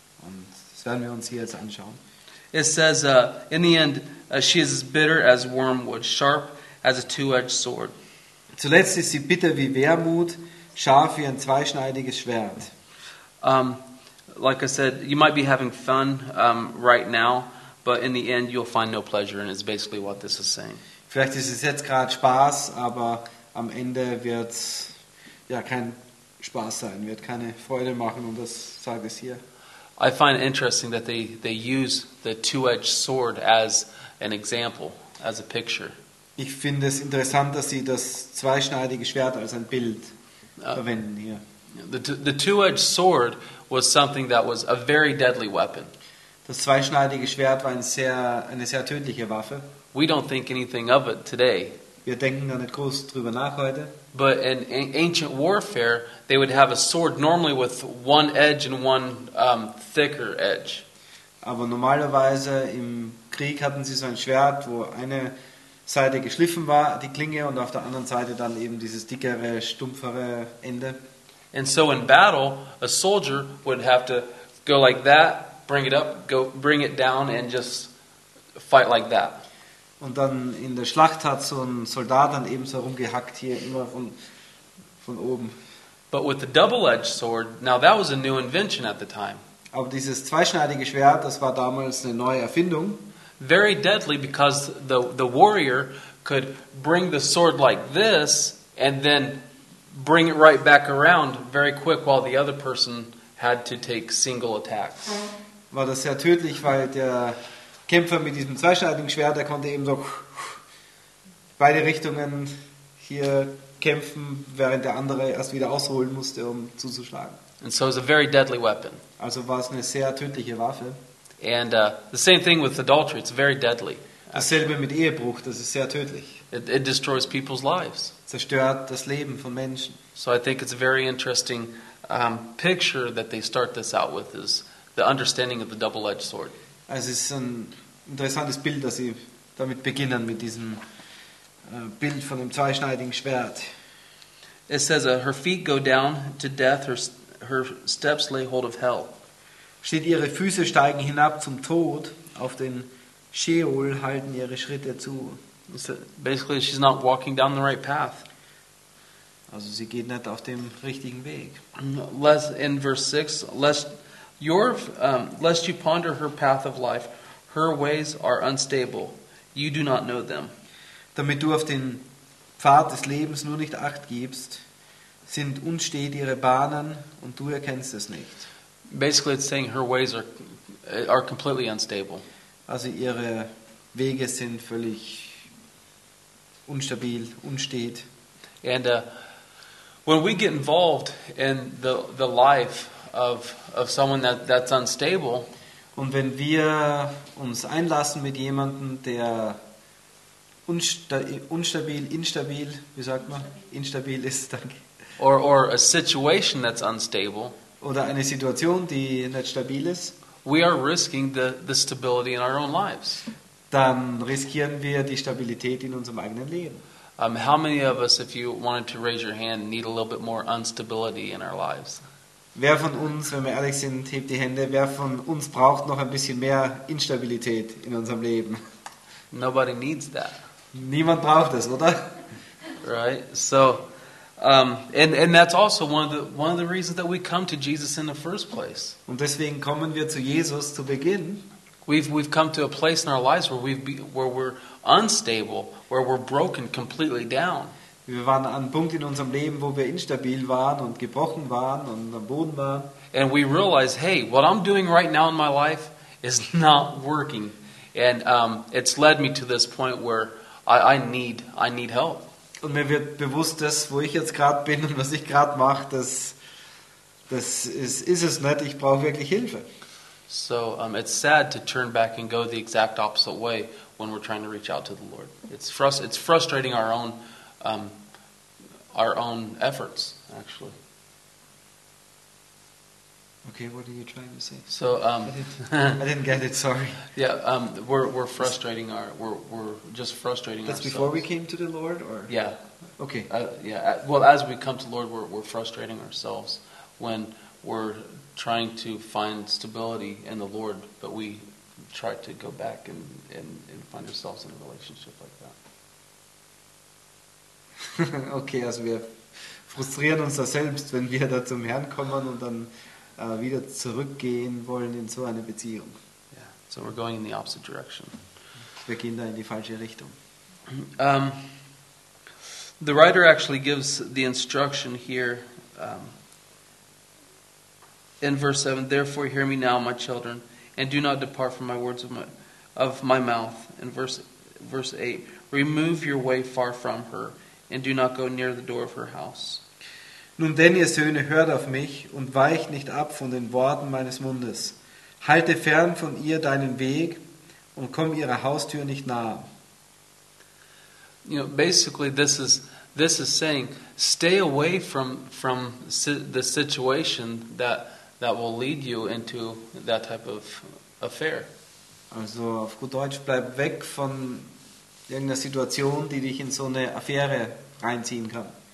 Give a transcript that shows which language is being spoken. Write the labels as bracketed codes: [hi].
[de] Und das werden wir uns hier jetzt anschauen. [en] It says, in the end, she is as bitter as wormwood, sharp as a two-edged sword. [de] Zuletzt ist sie bitter wie Wermut, scharf wie ein zweischneidiges Schwert. [en] Like I said, you might be having fun right now, but in the end you'll find no pleasure, and it's basically what this is saying. [de] Vielleicht ist es jetzt gerade Spaß, aber am Ende wird ja kein Spaß sein, wird keine Freude machen, und das sage ich hier. [en] I find it interesting that they use the two-edged sword as an example, as a picture. [de] Ich finde es interessant, dass sie das zweischneidige Schwert als ein Bild verwenden hier. [en] The two-edged sword was something that was a very deadly weapon. [de] Das zweischneidige Schwert war eine sehr tödliche Waffe. [en] We don't think anything of it today. [de] Wir denken da nicht groß drüber nach heute. [en] But in ancient warfare, they would have a sword normally with one edge and one thicker edge. [de] Aber normalerweise im Krieg hatten sie so ein Schwert, wo eine Seite geschliffen war, die Klinge, und auf der anderen Seite dann eben dieses dickere, stumpfere Ende. [en] And so in battle, a soldier would have to go like that, bring it up, go bring it down, and just fight like that. [de] Und dann in der Schlacht hat so ein Soldat dann eben so rumgehackt hier immer von oben. [en] But with the double-edged sword, now that was a new invention at the time. [de] Aber dieses zweischneidige Schwert, das war damals eine neue Erfindung. [en] Very deadly, because the warrior could bring the sword like this and then bring it right back around very quick, while the other person had to take single attacks. [de] War das sehr tödlich, weil der Kämpfer mit diesem zweischneidigen Schwert, der konnte eben so beide Richtungen hier kämpfen, während der andere erst wieder ausholen musste, um zuzuschlagen. [en] And so it was a very deadly weapon. [de] Also war es eine sehr tödliche Waffe. [en] And the same thing with adultery, it's very deadly. [de] Dasselbe mit Ehebruch, das ist sehr tödlich. [en] It destroys people's lives. [de] Zerstört das Leben von Menschen. [en] So I think it's a very interesting picture that they start this out with, is the understanding of the double-edged sword. [de] Also es ist ein interessantes Bild, das sie damit beginnen, mit diesem Bild von dem zweischneidigen Schwert. [en] It says, her feet go down to death, her steps lay hold of hell. [de] Steht, ihre Füße steigen hinab zum Tod, auf den Sheol halten ihre Schritte zu. [en] So basically, she's not walking down the right path. [de] Also sie geht nicht auf dem richtigen Weg. [en] Lest, in verse 6, lest you ponder her path of life, her ways are unstable, you do not know them. [de] Damit du auf den Pfad des Lebens nur nicht Acht gibst, sind unstet ihre Bahnen und du erkennst es nicht. [en] Basically it's saying her ways are completely unstable. [de] Also ihre Wege sind völlig unstabil, unstet. [en] And when we get involved in the life of someone that's unstable, [de] und wenn wir uns einlassen mit jemandem, der instabil, wie sagt man, instabil ist, danke. [en] Or a situation that's unstable, [de] oder eine Situation, die nicht stabil ist, [en] we are risking the stability in our own lives. [de] Dann riskieren wir die Stabilität in unserem eigenen Leben. [en] How many of us, if you wanted to raise your hand, need a little bit more instability in our lives? [de] Wer von uns, wenn wir ehrlich sind, hebt die Hände. Wer von uns braucht noch ein bisschen mehr Instabilität in unserem Leben? [en] Nobody needs that. [de] Niemand braucht das, oder? [en] Right. So, and that's also one of the reasons that we come to Jesus in the first place. [de] Und deswegen kommen wir zu Jesus zu Beginn. [en] We've come to a place in our lives where we're unstable, where we're broken completely down. [de] Wir waren an einem Punkt in unserem Leben, wo wir instabil waren und gebrochen waren und am Boden waren. [en] And we realize, hey, what I'm doing right now in my life is not working, and it's led me to this point where I need help. [de] Und mir wird bewusst, dass wo ich jetzt gerade bin und was ich gerade mache, das ist es nicht. Ich brauche wirklich Hilfe. [en] So it's sad to turn back and go the exact opposite way when we're trying to reach out to the Lord. It's frustrating our own efforts, actually. Okay, what are you trying to say? So I didn't get it. Sorry. Yeah, we're frustrating our we're just frustrating. That's ourselves. Before we came to the Lord, or yeah. Okay. Yeah. Well, as we come to the Lord, we're frustrating ourselves when we're trying to find stability in the Lord, but we try to go back and find ourselves in a relationship like that. [de] Okay, also wir frustrieren uns da selbst, wenn wir da zum Herrn kommen und dann wieder zurückgehen wollen in so eine Beziehung. [en] Yeah, so we're going in the opposite direction. [de] Wir gehen da in die falsche Richtung. [en] The writer actually gives the instruction here. In verse 7, therefore hear me now, my children, and do not depart from my words of my mouth. In verse 8, remove your way far from her, and do not go near the door of her house. [de] Nun denn, ihr Söhne, hört auf mich, und weicht nicht ab von den Worten meines Mundes. Halte fern von ihr deinen Weg, und komm ihrer Haustür nicht nahe. [en] You know, basically this is saying, stay away from the situation that will lead you into that type of affair. [de] Also auf gut Deutsch, bleib weg von irgendeiner Situation, die dich in so eine Affäre reinziehen kann.